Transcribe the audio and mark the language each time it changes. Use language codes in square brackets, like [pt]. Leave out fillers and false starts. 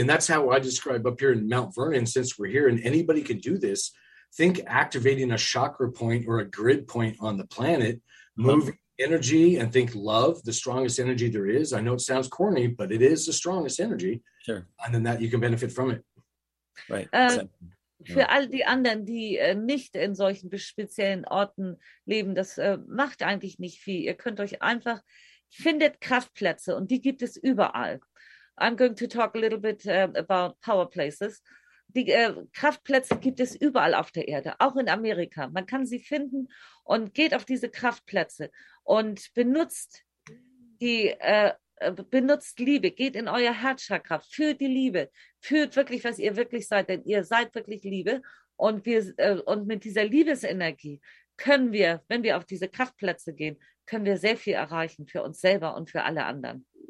[en] And that's how I describe up here in Mount Vernon, since we're here and anybody can do this. Think activating a chakra point or a grid point on the planet, moving energy and think love, the strongest energy there is. I know it sounds corny, but it is the strongest energy. Sure. And then that you can benefit from it. Right. [de] Für all die anderen, die nicht in solchen speziellen Orten leben, das macht eigentlich nicht viel. Ihr könnt euch einfach, findet Kraftplätze und die gibt es überall. [en] I'm going to talk a little bit about power places. [de] Die Kraftplätze gibt es überall auf der Erde, auch in Amerika. Man kann sie finden und geht auf diese Kraftplätze und benutzt die benutzt Liebe, geht in euer Herzchakra, fühlt die Liebe, fühlt wirklich, was ihr wirklich seid, denn ihr seid wirklich Liebe und wir und mit dieser Liebesenergie können wir, wenn wir auf diese Kraftplätze gehen, können wir sehr viel erreichen für uns selber und für alle anderen.